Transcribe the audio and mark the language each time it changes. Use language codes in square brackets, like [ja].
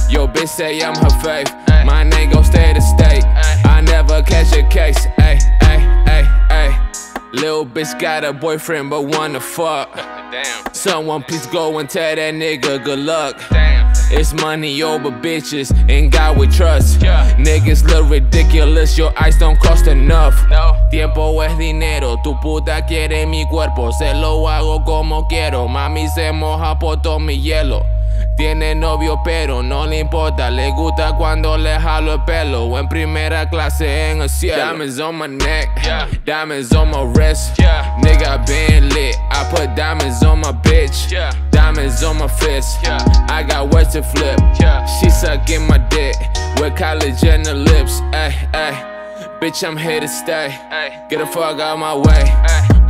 [en] Yo, bitch say I'm her fave. My name gon' stay the state, I never catch a case, ay, ay, ay, ay. Lil' bitch got a boyfriend but wanna fuck. Damn. Someone please go and tell that nigga good luck. Damn. It's money over bitches and God we trust, yeah. Niggas look ridiculous, your eyes don't cost enough, no. [es] Tiempo es dinero, tu puta quiere mi cuerpo. Se lo hago como quiero, mami se moja por todo mi hielo. Tiene novio pero no le importa, le gusta cuando le jalo el pelo. En primera clase en el cielo. [en] Diamonds on my neck, yeah. Diamonds on my wrist, yeah. Nigga I been lit, I put diamonds on my bitch, yeah. Diamonds on my fist, yeah. I got words to flip, yeah. She sucking my dick with college in the lips, ay, ay. Bitch I'm here to stay, ay. Get the fuck out my way, ay.